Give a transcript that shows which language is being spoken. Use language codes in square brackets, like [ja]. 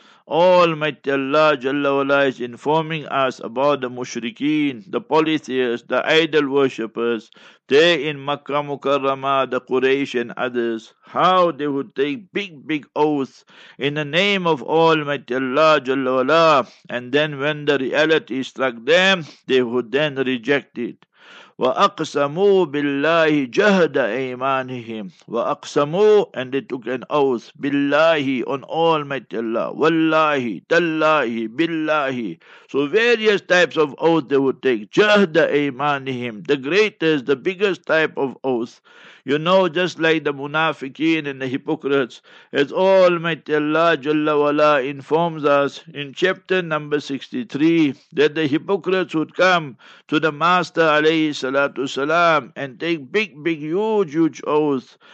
[en] Almighty Allah Jalla Wala is informing us about the mushrikeen, the polytheists, the idol worshippers there in Makkah Mukarramah, the Quraysh and others, how they would take big oaths in the name of Almighty Allah Jalla Wala, and then when the reality struck them, they would then reject it. [ar] وَأَقْسَمُوا بِاللَّهِ جَهْدَ أَيْمَانِهِمْ وَأَقْسَمُوا, [en] and they took an oath, [ar] بِاللَّهِ, [en] on Almighty Allah, [ar] وَاللَّهِ, تَاللَّهِ, بِاللَّهِ. [en] So various types of oath they would take. [ar] جَهْدَ أَيْمَانِهِمْ, [en] the greatest, the biggest type of oath. You know, just like the munafiqeen and the hypocrites, as Almighty Allah Jalla Wala informs us in chapter number 63, that the hypocrites would come to the Master alayhi salatu salam and take big huge oaths.